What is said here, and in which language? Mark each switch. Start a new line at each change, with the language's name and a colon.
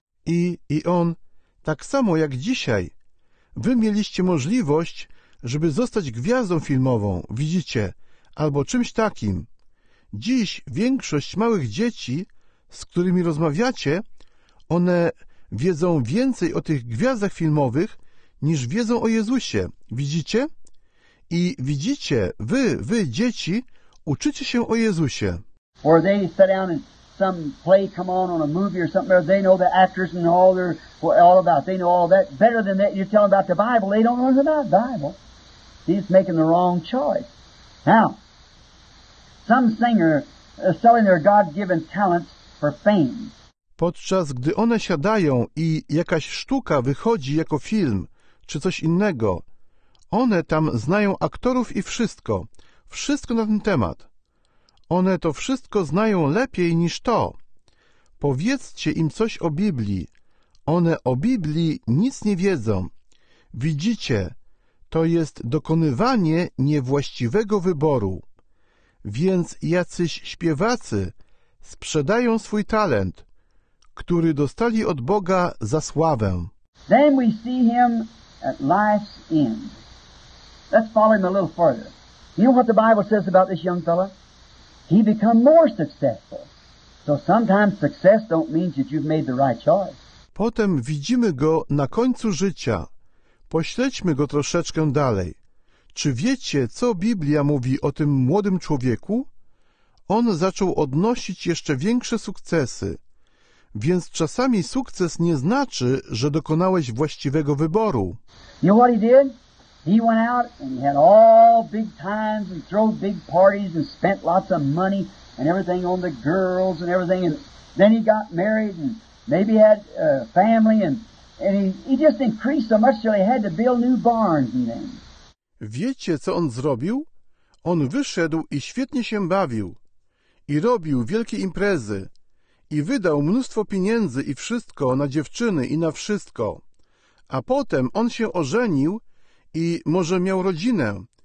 Polish: I on, tak samo jak dzisiaj, wy mieliście możliwość, żeby zostać gwiazdą filmową, widzicie, albo czymś takim. Dziś większość małych dzieci, z którymi rozmawiacie, one wiedzą więcej o tych gwiazdach filmowych, niż wiedzą o Jezusie, widzicie? I widzicie, wy dzieci, uczycie się o Jezusie.
English: Or they sit down and some play come on a movie or something, or they know the actors and all they're all about. They know all that better than that. You tell them about the Bible, they don't know anything about the Bible. He's making the wrong choice. Now, some singer is selling their God-given talents for fame.
Polish: Podczas gdy one siadają i jakaś sztuka wychodzi jako film, czy coś innego. One tam znają aktorów i wszystko. Wszystko na ten temat. One to wszystko znają lepiej niż to. Powiedzcie im coś o Biblii. One o Biblii nic nie wiedzą. Widzicie, to jest dokonywanie niewłaściwego wyboru. Więc jacyś śpiewacy sprzedają swój talent, który dostali od Boga za sławę.
English: Then we see him at life's end. Let's follow him a little further. You know what the Bible says about this young fellow? He become more successful. So sometimes success don't mean that you've made the right choice.
Polish: Potem widzimy go na końcu życia. Pośledźmy go troszeczkę dalej. Czy wiecie, co Biblia mówi o tym młodym człowieku? On zaczął odnosić jeszcze większe sukcesy. Więc czasami sukces nie znaczy, że dokonałeś właściwego wyboru.
English: You know what he did? He went out and had all big times and threw big parties and spent lots of money and everything on the girls and everything. And then he got married and maybe had a family and he just increased so much till he had to build new barns and things.
Polish: Wiecie, co on zrobił? On wyszedł i świetnie się bawił i robił wielkie imprezy. I wydał mnóstwo pieniędzy i wszystko na dziewczyny i na wszystko. A potem on się ożenił i może miał rodzinę.